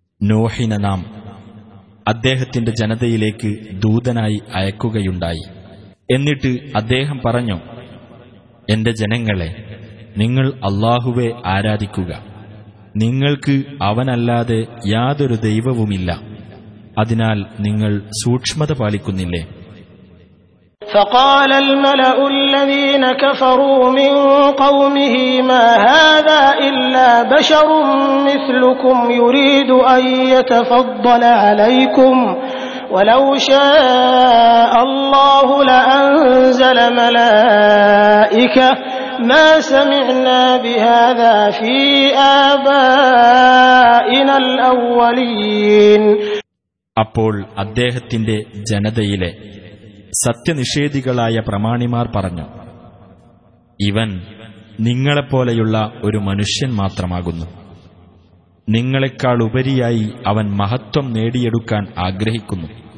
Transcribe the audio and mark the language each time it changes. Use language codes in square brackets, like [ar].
[ml] നൂഹിനെ നാം അദ്ദേഹത്തിന്റെ ജനതയിലേക്ക് ദൂതനായി അയക്കുകയുണ്ടായി. എന്നിട്ട് അദ്ദേഹം പറഞ്ഞു, എന്റെ ജനങ്ങളെ, നിങ്ങൾ അല്ലാഹുവെ ആരാധിക്കുക. നിങ്ങൾക്ക് അവനല്ലാതെ യാതൊരു ദൈവവുമില്ല. അതിനാൽ നിങ്ങൾ സൂക്ഷ്മത പാലിക്കുന്നില്ലേ? [ar] فقال الملأ الذين كفروا من قومه ما هذا الا بشر مثلكم يريد ان يتفضل عليكم ولو شاء الله لانزل ملائكة ما سمعنا بهذا في آبائنا الأولين. [ml] അപ്പോൾ അദ്ദേഹത്തിന്റെ ജനതയിലെ സത്യനിഷേധികളായ പ്രമാണിമാർ പറഞ്ഞു, ഇവൻ നിങ്ങളെപ്പോലെയുള്ള ഒരു മനുഷ്യൻ മാത്രമാകുന്നു. നിങ്ങളെക്കാൾ ഉപരിയായി അവൻ മഹത്വം നേടിയെടുക്കാൻ ആഗ്രഹിക്കുന്നു.